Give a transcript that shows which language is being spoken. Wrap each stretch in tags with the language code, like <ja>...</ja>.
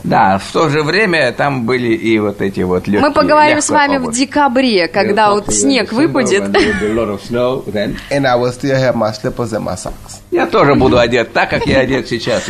<ru>Да, в то же время там были и вот эти вот легкие. Мы поговорим с вами в декабре, когда вот снег выпадет.</ru> <en>And I will still have my slippers and my socks.</en> <ru>Я тоже буду одет так, как я одет сейчас.</ru>